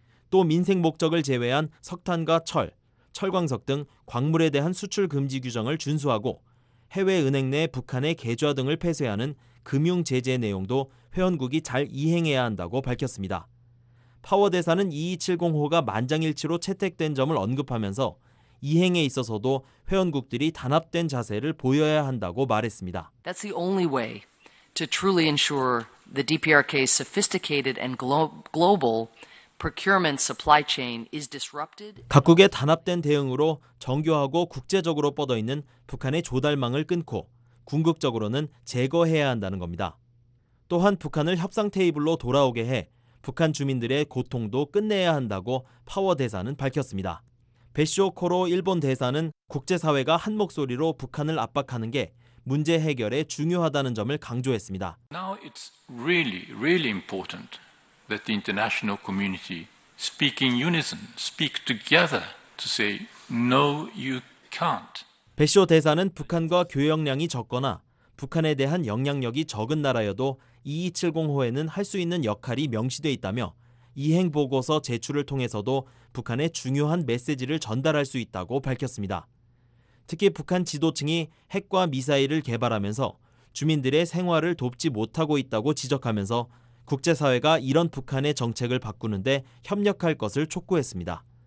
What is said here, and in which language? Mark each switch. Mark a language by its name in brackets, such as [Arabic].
[Korean] 또 민생 목적을 제외한 석탄과 철, 철광석 등 광물에 대한 수출 금지 규정을 준수하고 해외 은행 내 북한의 계좌 등을 폐쇄하는 금융 제재 내용도 회원국이 잘 이행해야 한다고 밝혔습니다. 파워 대사는 2270호가 만장일치로 채택된 점을 언급하면서 이행에 있어서도 회원국들이 단합된 자세를 보여야 한다고 말했습니다. [English] That's the only way to truly ensure the DPRK's sophisticated and global procurement supply chain is disrupted. [Korean] 각국의 단합된 대응으로 정교하고 국제적으로 뻗어 있는 북한의 조달망을 끊고 궁극적으로는 제거해야 한다는 겁니다. 또한 북한을 협상 테이블로 돌아오게 해 북한 주민들의 고통도 끝내야 한다고 파워 대사는 밝혔습니다. 베쇼 코로 일본 대사는 국제사회가 한 목소리로 북한을 압박하는 게 문제 해결에 중요하다는 점을 강조했습니다. [English] Now it's really, really important that the international community speak in unison, speak together to say no, you can't. [Korean] 베쇼 대사는 북한과 교역량이 적거나 북한에 대한 영향력이 적은 나라여도 2270호에는 할 수 있는 역할이 명시돼 있다며 이행 보고서 제출을 통해서도 북한에 중요한 메시지를 전달할 수 있다고 밝혔습니다. 특히 북한 지도층이 핵과 미사일을 개발하면서 주민들의 생활을 돕지 못하고 있다고 지적하면서 국제사회가 이런 북한의 정책을 바꾸는데 협력할 것을 촉구했습니다.